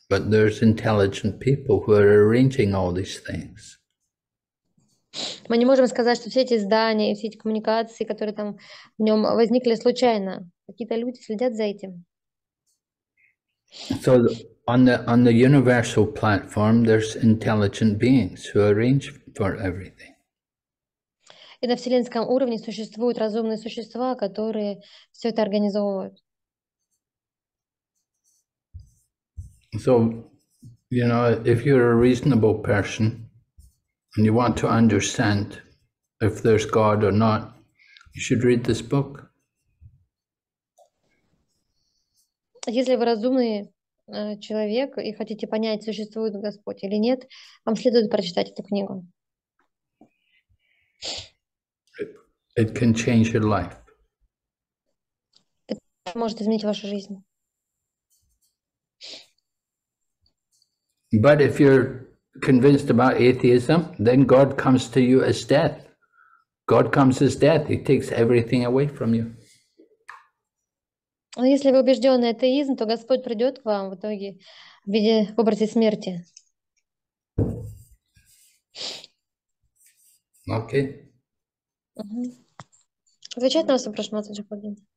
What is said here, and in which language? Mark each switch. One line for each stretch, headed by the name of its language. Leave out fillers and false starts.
English: But there's intelligent people who are arranging all these things.
Russian: Мы не можем сказать, что все эти здания и все эти коммуникации, которые там в нем возникли случайно, какие-то люди следят за этим.
English: So on the universal platform, there's intelligent beings who arrange for everything.
Russian: И на вселенском уровне существуют разумные существа, которые все это организовывают.
English: So, you know, if you're a reasonable person and you want to understand if there's God or not, you should read this book.
Russian: Если вы разумный человек и хотите понять, существует Господь или нет, вам следует прочитать эту книгу.
English: It can change your life.
Russian: Это может изменить вашу жизнь.
English: But if you're convinced about atheism, then God comes to you as death. God comes as death. He takes everything away from you.
Russian: Если вы убеждённый атеист, то Господь придёт к вам в итоге в виде образа смерти.
English: Okay. Угу.
Russian: Отвечать на вас вопрос, Матаджи Пагин.